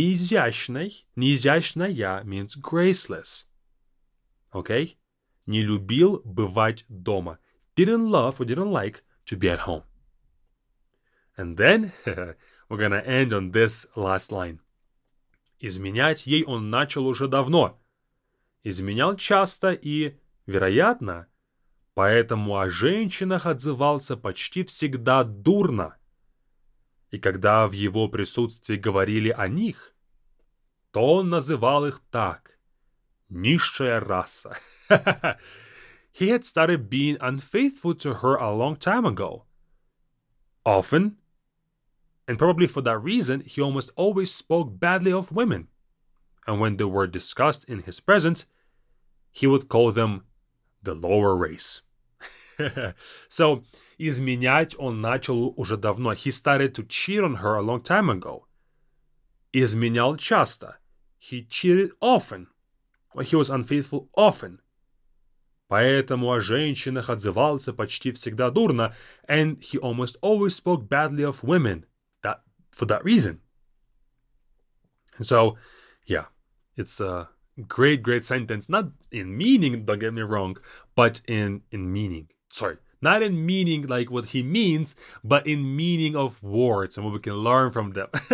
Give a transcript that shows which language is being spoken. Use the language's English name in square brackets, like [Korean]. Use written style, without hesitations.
[English] Неизящная means graceless. Okay? [Russian] Не любил бывать дома. [English] Didn't love or didn't like to be at home. And then we're going to end on this last line. [Russian] Изменять ей он начал уже давно. Изменял часто и, вероятно, поэтому о женщинах отзывался почти всегда дурно. И когда в его присутствии говорили о них, то он называл их так. Низшая раса. [English] He had started being unfaithful to her a long time ago. Often, and probably for that reason, he almost always spoke badly of women. And when they were discussed in his presence, he would call them the lower race. So, [Russian] изменять он начал уже давно. [English] He started to cheat on her a long time ago. [Russian] Изменял часто. [English] He cheated often. Well, he was unfaithful often. [Russian] Поэтому о женщинах отзывался почти всегда дурно. [English] And he almost always spoke badly of women. For that reason. And so, yeah. It's a great, great sentence. Not in meaning, don't get me wrong. But in meaning. Sorry. Not in meaning like what he means, but in meaning of words and what we can learn from them.